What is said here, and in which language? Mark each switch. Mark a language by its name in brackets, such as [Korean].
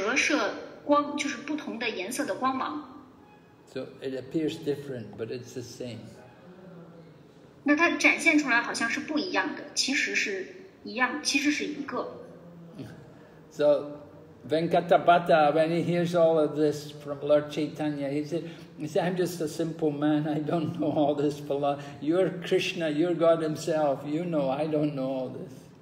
[Chinese] 就比如说有的时候呢，你会拿到一个很珍贵的珠宝，然后呢，这个珠宝它的各个面就会折射光，就是不同的颜色的光芒。 [English] So it appears different, but it's the same. [Chinese] 那它展现出来好像是不一样的，其实是一样，其实是一个。 [English] So, Venkatapata, when he hears all of this from Lord Chaitanya, he said, I'm just a simple man, I don't know all this philosophy. You're Krishna, you're God Himself, you know, I don't know all this.